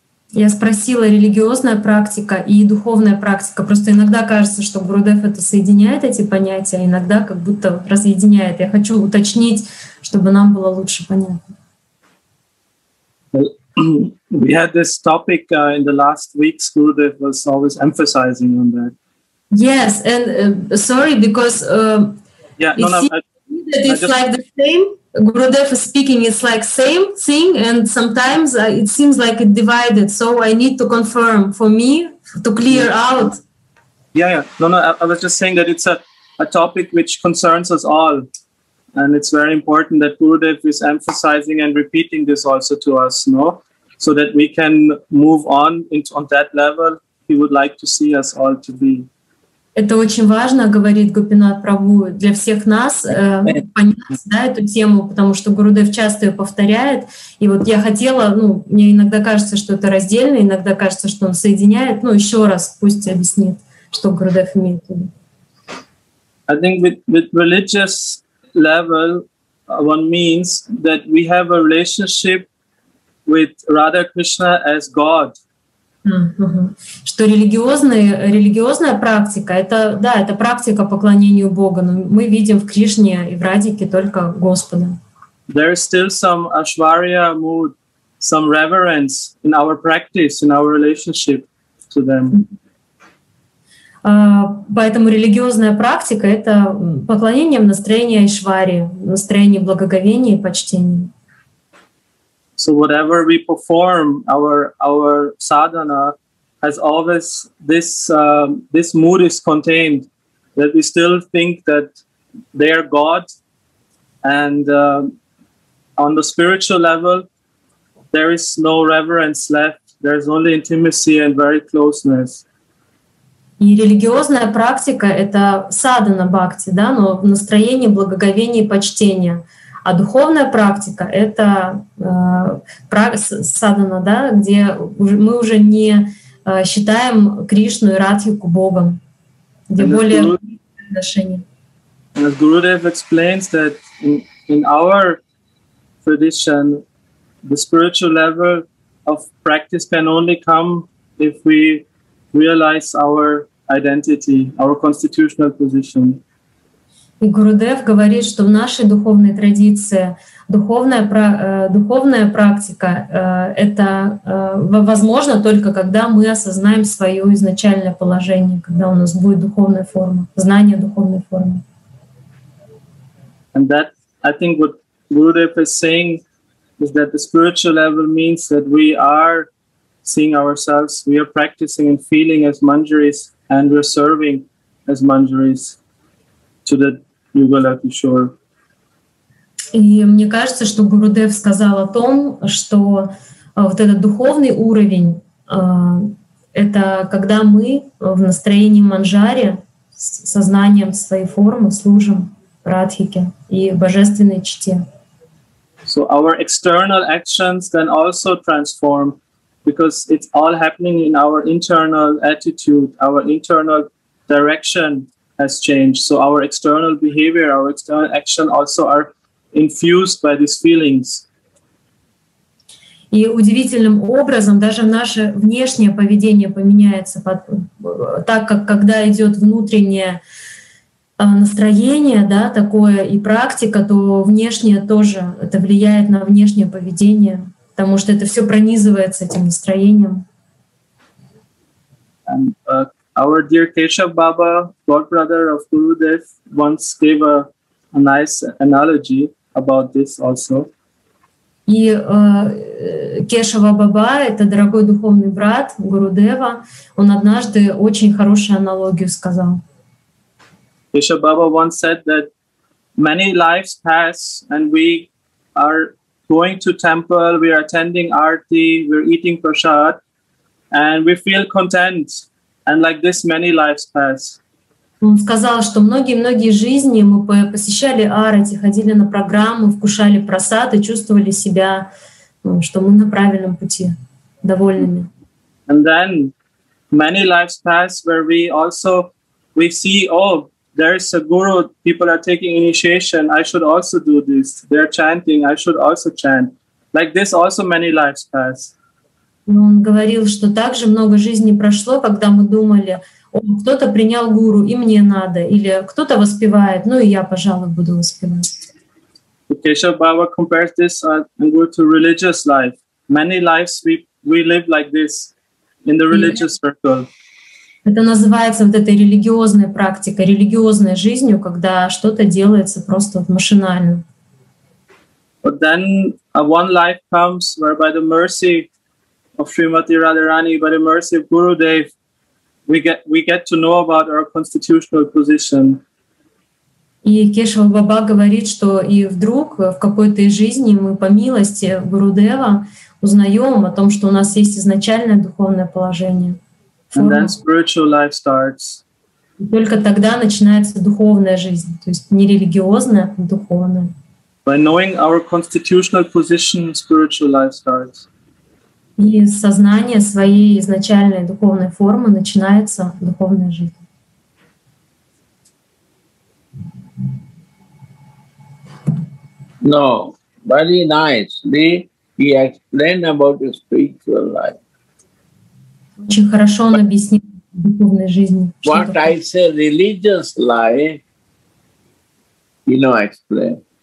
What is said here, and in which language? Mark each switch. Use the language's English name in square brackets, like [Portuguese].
[Russian] Я спросила, религиозная практика и духовная практика. Просто иногда кажется, что Гурудев это соединяет эти понятия, иногда как будто разъединяет. Я хочу уточнить, чтобы нам было лучше понятно. [English] We had this topic in the last week. Gurudev was always emphasizing on that. Yes, and sorry, because it's the same. Gurudev is speaking, it's like same thing, and sometimes it seems like it divided, so I need to confirm for me to clear out. I was just saying that it's a topic which concerns us all, and it's very important that Gurudev is emphasizing and repeating this also to us, no? So that we can move on that level he would like to see us all to be. [Russian] Это очень важно, говорит Гопинат Прабху, для всех нас понять, да, эту тему, потому что Гурудев часто ее повторяет. И вот я хотела, ну, мне иногда кажется, что это раздельно, иногда кажется, что он соединяет. Ну, еще раз пусть объяснит, что Гурудев имеет в виду. [English] I think with religious level, one means that we have a relationship with Radha Krishna as God. [Russian] Что религиозная практика, это да, это практика поклонению Богу, но мы видим в Кришне и в Радике только Господа. [English] There is still some ashwarya mood, some reverence in our practice, in our relationship to them. [Russian] Поэтому религиозная практика — это поклонение в настроении Айшвари, в настроении благоговения и почтения. [English] So whatever we perform, our sadhana has always this this mood is contained, that we still think that they are God, and on the spiritual level, there is no reverence left, there is only intimacy and very closeness. [Russian] И религиозная практика — это садхана бхакти, да, но в настроении благоговения и почтения. А духовная практика — это садхана, да, где мы уже не считаем Кришну и Радхику Богом, где and более отношения. [English] As Gurudev explains that in our tradition, the spiritual level of practice can only come if we realize our identity, our constitutional position. [Russian] И Гурудев говорит, что в нашей духовной традиции духовная практика это возможно только когда мы осознаем свое изначальное положение, когда у нас будет духовная форма, знание духовной формы. [English] And that, I think, what Gurudev is saying is that the spiritual level means that we are seeing ourselves, we are practicing and feeling as Manjaris. And we're serving as manjaris to the Yugala Kishore. [Russian] И мне кажется, что Гурудев сказал о том, что вот этот духовный уровень это когда мы в настроении манжари с сознанием своей формы служим Радхике и божественной чте. [English] So our external actions can also transform. Because it's all happening in our internal attitude, our internal direction has changed. So our external behavior, our external action also are infused by these feelings. [Russian] И удивительным образом даже наше внешнее поведение поменяется, так как когда идет внутреннее настроение, да, такое и практика, то внешнее тоже это влияет на внешнее поведение. Потому что это все пронизывается этим настроением. [English] And, our dear Keshav Baba, god brother of Gurudev, once gave a nice analogy about this also. [Russian] И Кешава Баба, это дорогой духовный брат Гурудева, он однажды очень хорошую аналогию сказал. [English] Keshav Baba once said that many lives pass and we are going to temple, we are attending arati, we're eating prasad, and we feel content. And like this, many lives pass. [Russian] Он сказал, что многие-многие жизни мы посещали арати, ходили на программу, вкушали прасад и чувствовали себя, ну, что мы на правильном пути, довольными. [English] And then many lives pass where we also we see, oh, there is a guru, people are taking initiation, I should also do this. They are chanting, I should also chant. Like this also many lives pass. [Russian] Он говорил, что так же много жизней прошло, когда мы думали, о, кто-то принял гуру, и мне надо, или кто-то воспевает, ну и я, пожалуй, буду воспевать. [English] Keshav Baba compares this guru to religious life. Many lives we live like this in the religious circle. [Russian] Это называется вот этой религиозной практикой, религиозной жизнью, когда что-то делается просто машинально. [English] But then one life comes where by the mercy of Srimati Radharani, by the mercy of Gurudev, we get to know about our constitutional position. [Russian] И Кешава Баба говорит, что и вдруг в какой-то из жизни мы по милости Гурудева узнаем о том, что у нас есть изначальное духовное положение. [English] And then spiritual life starts. [Russian] Только тогда начинается духовная жизнь, то есть не религиозная, а духовная. [English] By knowing our constitutional position, spiritual life starts. [Russian] И сознание своей изначальной духовной формы начинается духовная жизнь. [English] No, very nicely he explained about the spiritual life. [Russian] Очень хорошо он объяснил духовной жизни. [English] What I say, religious life, you know, explain.